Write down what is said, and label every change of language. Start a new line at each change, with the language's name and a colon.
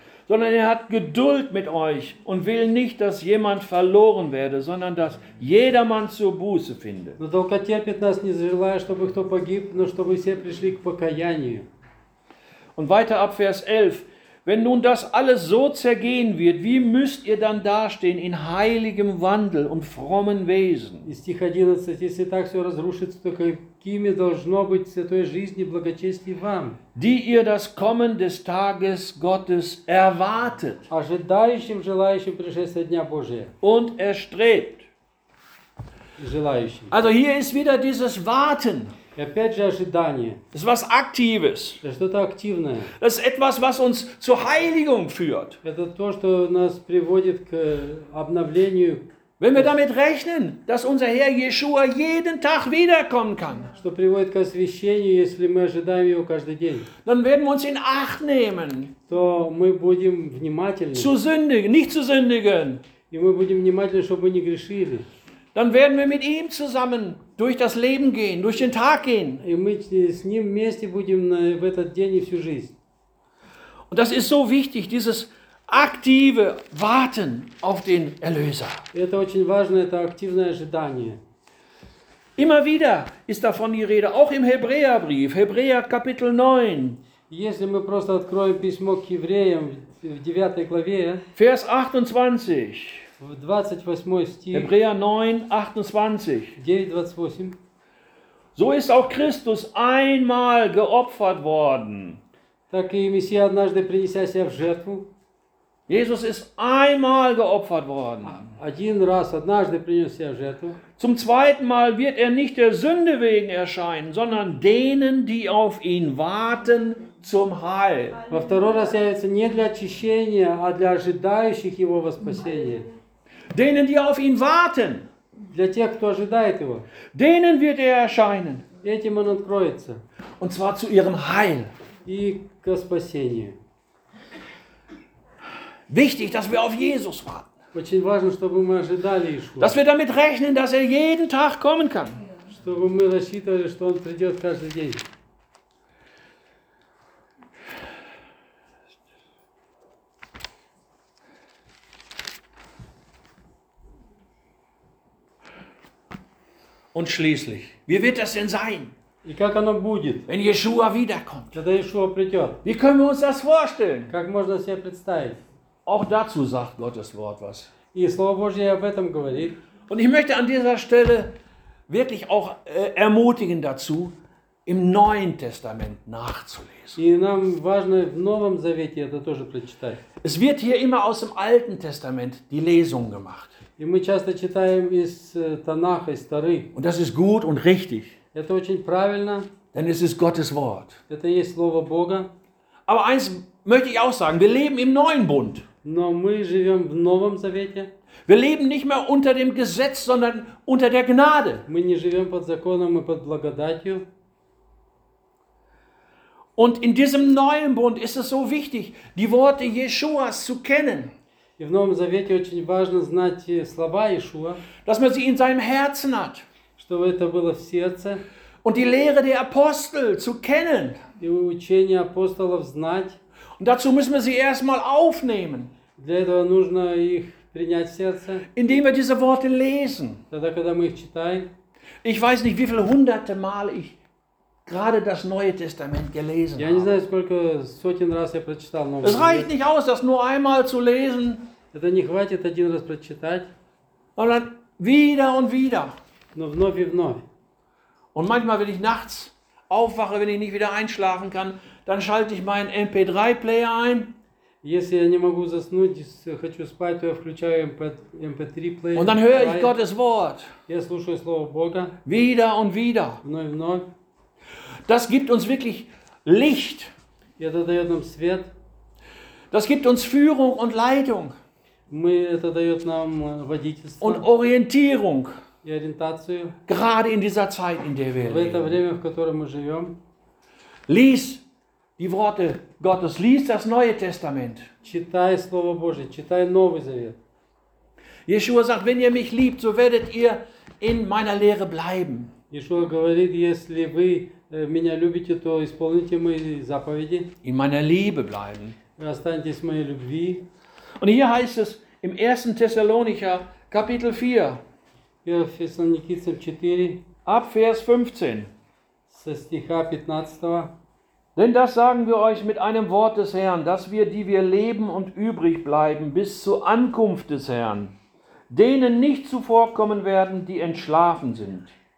German: sondern er hat Geduld mit euch und will nicht, dass jemand verloren werde, sondern dass jedermann zur Buße finde.
Russian: Но долготерпит нас, не желая, чтобы кто погиб, но чтобы все пришли к покаянию.
German: Und weiter ab Vers 11. Wenn nun das alles so zergehen wird, wie müsst ihr dann dastehen in heiligem Wandel und frommen Wesen?
Russian: Стих 11. Если так все разрушится, то какими должно быть святой жизни благочестие вам?
German: Die ihr das Kommen des Tages Gottes erwartet.
Russian: Ожидающим, желающим пришествия дня Божия.
German: Und erstrebt.
Russian: Желающим.
German: Also hier ist wieder dieses Warten.
Russian: Опять же ожидание.
German: Das ist was Aktives.
Russian: Das что-то активное.
German: Das ist etwas, was uns zur Heiligung führt.
Russian: Это то, что нас приводит к обновлению.
German: Wenn wir damit rechnen, dass unser Herr Jeshua jeden Tag wiederkommen kann.
Russian: Что приводит к освящению, если мы ожидаем его каждый день.
German: Dann werden wir uns in Acht nehmen.
Russian: То мы будем внимательны.
German: Zu sündigen, nicht zu sündigen.
Russian: И мы будем внимательны, чтобы не грешили.
German: Dann werden wir mit ihm zusammen durch das Leben gehen, durch den Tag gehen.
Russian: И мы с ним вместе будем в этот день и всю жизнь.
German: Und das ist so wichtig, dieses aktive Warten auf den Erlöser.
Russian: Это очень важно, это активное ожидание.
German: Immer wieder ist davon die Rede, auch im Hebräerbrief, Hebräer Kapitel 9.
Russian: Если мы просто откроем письмо к евреям в 9 главе,
German: Vers 28.
Russian: В 28 стих.
German: Hebräer 9, 28.
Russian: 9, 28.
German: So ist auch Christus einmal geopfert worden.
Russian: Так и Мессия однажды принеся себя в жертву.
German: Jesus ist einmal geopfert worden.
Russian: Один раз однажды принес себя в жертву.
German: Zum zweiten Mal wird er nicht der Sünde wegen erscheinen, sondern denen, die auf ihn warten, zum Heil.
Russian: Во второй раз явится не для очищения, а для ожидающих его во спасение.
German: Denen, die auf ihn warten.
Russian: Для тех, кто ожидает его.
German: Denen wird er erscheinen.
Russian: Этим он откроется.
German: Und zwar zu ihrem Heil.
Russian: И к спасению.
German: Wichtig, dass wir auf Jesus warten.
Russian: Очень важно, чтобы мы ожидали Иешуа.
German: Dass wir damit rechnen, dass er jeden Tag kommen kann.
Russian: Чтобы мы рассчитывали, что он придет каждый день.
German: Und schließlich, wie wird das denn sein?
Russian: И как оно будет?
German: Wenn Yeshua wiederkommt.
Russian: Когда Иешуа придет.
German: Wie können wir uns das vorstellen?
Russian: Как можно себе представить?
German: Auch dazu sagt Gottes Wort was.
Russian: И Слово Божье об этом говорит.
German: Und ich möchte an dieser Stelle wirklich auch ermutigen dazu, im Neuen Testament nachzulesen.
Russian: И нам важно в Новом Завете это тоже прочитать.
German: Es wird hier immer aus dem Alten Testament die Lesung gemacht.
Russian: И мы часто читаем из Танаха, из Тары.
German: Und das ist gut und richtig.
Russian: Это очень правильно.
German: Denn es ist Gottes Wort.
Russian: Это есть Слово Бога.
German: Aber eins möchte ich auch sagen, wir leben im Neuen Bund.
Russian: Но мы живем в Новом Завете.
German: Wir leben nicht mehr unter dem Gesetz, sondern unter der Gnade.
Russian: Мы не живем под законом, мы под благодатью.
German: Und in diesem Neuen Bund ist es so wichtig, die Worte Jeschuas zu kennen.
Russian: И в Новом Завете очень важно знать слова Иешуа,
German: dass man sie in seinem Herzen hat,
Russian: чтобы это было в сердце,
German: und die Lehre der Apostel zu kennen,
Russian: и учение апостолов знать,
German: und dazu müssen wir sie erstmal aufnehmen,
Russian: для этого нужно их принять в сердце,
German: indem wir diese Worte lesen,
Russian: тогда, когда мы их читаем.
German: Ich weiß nicht, wie viele hunderte Mal ich gerade das Neue Testament gelesen.
Russian: Я не знаю, сколько сотен раз я прочитал Новый
German: Завет. Es reicht nicht aus, das nur einmal zu lesen.
Russian: Это не хватит один раз прочитать.
German: Und dann wieder und wieder.
Russian: Но вновь и вновь.
German: Und manchmal, wenn ich nachts aufwache, wenn ich nicht wieder einschlafen kann, dann schalte ich meinen MP3-Player ein.
Russian: Если я не могу заснуть, хочу спать, то я включаю MP3-Player.
German: Und dann höre ich Gottes Wort.
Russian: Я слушаю Слово Бога.
German: Wieder und wieder.
Russian: Вновь и вновь.
German: Das gibt uns wirklich Licht.
Russian: Это дает нам свет.
German: Das gibt uns Führung und Leitung.
Russian: Это дает нам водительство.
German: Und Orientierung.
Russian: И ориентацию.
German: Gerade in dieser Zeit, in der wir leben.
Russian: В это время, в котором мы живем.
German: Lies die Worte Gottes. Lies das Neue Testament.
Russian: Читай Слово Божие. Читай Новый Завет.
German: Yeshua sagt, wenn ihr mich liebt, so werdet ihr in meiner Lehre bleiben.
Russian: Yeshua говорит, если вы меня любите, то исполните мои заповеди.
German: In meiner Liebe bleiben.
Russian: Останьтесь моей любви.
German: Und hier heißt es im 1. Thessalonicher Kapitel 4.
Russian: Ja, Фессалоникийцам 4.
German: Ab Vers 15.
Russian: Со стиха 15.
German: Denn das sagen wir euch mit einem Wort des Herrn, dass wir, die wir leben und übrig bleiben bis zur Ankunft des Herrn, denen nicht zuvorkommen werden, die entschlafen sind.